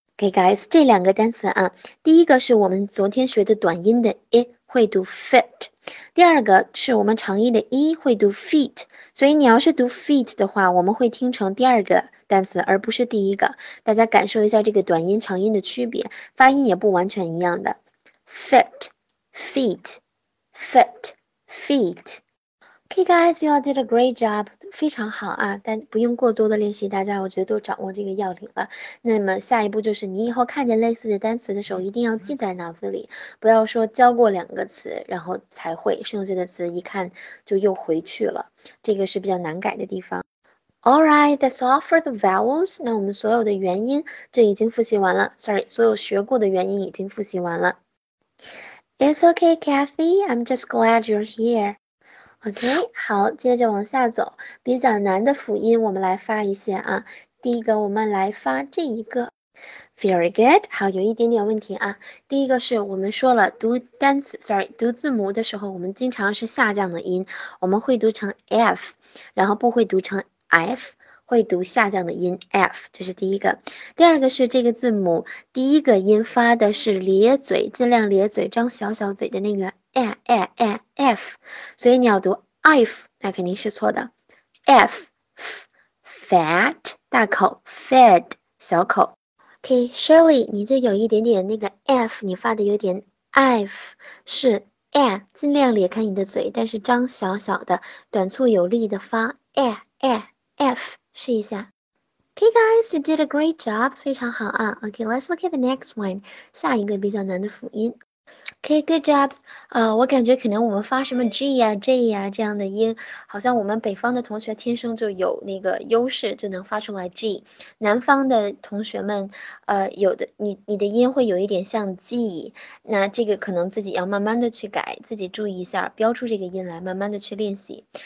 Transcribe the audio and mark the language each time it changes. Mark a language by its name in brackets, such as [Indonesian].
[English] Okay, guys, [Chinese] 这两个单词啊，第一个是我们昨天学的短音的 i 会读 fit， 第二个是我们长音的 e 会读 feet， 所以你要是读 feet 的话，我们会听成第二个单词而不是第一个，大家感受一下这个短音长音的区别，发音也不完全一样的 fit, feet, fit, feet。 [English] Okay, guys, you all did a great job. [Chinese] 非常好啊，但不用过多的练习，大家我觉得都掌握这个要领了。那么下一步就是你以后看见类似的单词的时候，一定要记在脑子里，不要说教过两个词，然后才会，剩下的词一看就又回去了，这个是比较难改的地方。 [English] Alright, that's all for the vowels. [Chinese] 那我们所有的元音就已经复习完了， sorry, 所有学过的元音已经复习完了。 [English] It's okay, Kathy. I'm just glad you're here. [Chinese] OK, 好，接着往下走，比较难的辅音我们来发一些啊。第一个我们来发这一个。 [English] Very good, [Chinese] 好，有一点点问题啊。第一个是我们说了读单词 sorry, 读字母的时候我们经常是下降的音，我们会读成 F, 然后不会读成 F, 会读下降的音 F, 这是第一个。第二个是这个字母第一个音发的是咧嘴，尽量咧嘴，张小小嘴的那个。 F, 所以你要读 if, 那肯定是错的。 F, fat, 大口 ,fed, 小口。 Okay, Shirley, 你这有一点点那个 F, 你发的有点 if, 是 a, 尽量咧开你的嘴，但是张小小的短促有力的发 F, 试一下。 [English] Okay, guys, you did a great job, [Chinese] 非常好啊。 [English] Okay, let's look at the next one, [Chinese] 下一个比较难的辅音。 [English] OK, Okay, good jobs. [Chinese] 我感觉可能我们发什么 G 呀、J 呀、这样的音，好像我们北方的同学天生就有那个优势，就能发出来 G。南方的同学们，有的你的音会有一点像 G，那这个可能自己要慢慢的去改，自己注意一下，标出这个音来，慢慢的去练习。